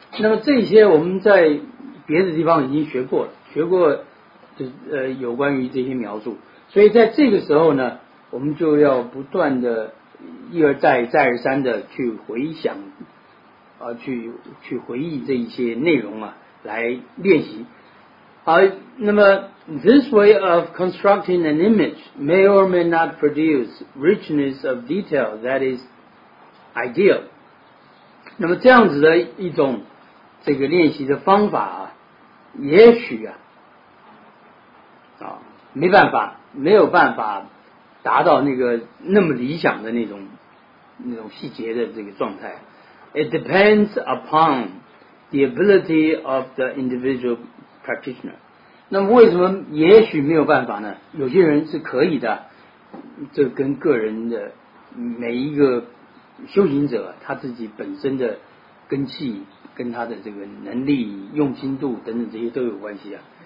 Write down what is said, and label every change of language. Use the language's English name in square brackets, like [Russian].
[Chinese] 那么这些我们在别的地方已经学过就有关于这些描述，所以在这个时候呢，我们就要不断的一而再再而三的去回想啊，去回忆这一些内容啊，来练习。好，那么 [English] this way of constructing an image may or may not produce richness of detail that is ideal。 [Chinese] 那么这样子的一种这个练习的方法啊，也许啊，没办法，没有办法达到那个那么理想的那种细节的这个状态。 [English] It depends upon the ability of the individual practitioner. [Chinese] 那么为什么也许没有办法呢？有些人是可以的，这跟个人的每一个修行者他自己本身的根气跟他的这个能力用心度等等这些都有关系啊。